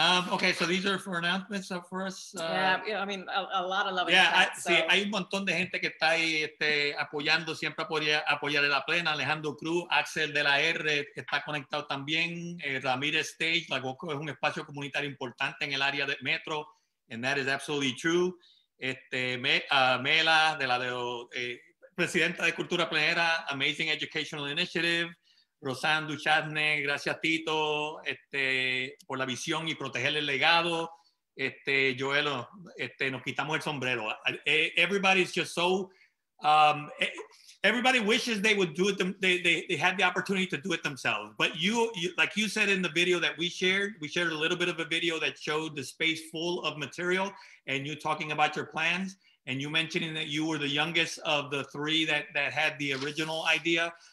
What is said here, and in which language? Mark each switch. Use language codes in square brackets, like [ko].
[en] Okay, so these are for announcements for us. Yeah, I mean, a lot of love. Yeah, chat, [es] sí, hay un montón de gente que está ahí apoyando, siempre apoyar a la plena. Alejandro Cruz, Axel de la R, está conectado también. Ramirez Stage, la GoCo es un espacio comunitario importante en el área de Metro, [en] and that is absolutely true. [es] Mela, de la Presidenta de Cultura Plenera, Amazing Educational Initiative. Rosanne Duchatne, gracias Tito por la visión y proteger el legado. Joelo, nos quitamos el sombrero. [en] Everybody's just so, everybody wishes they would do it, they had the opportunity to do it themselves. But you, like you said in the video that we shared a little bit of a video that showed the space full of material and you talking about your plans and you mentioning that you were the youngest of the three that had the original idea.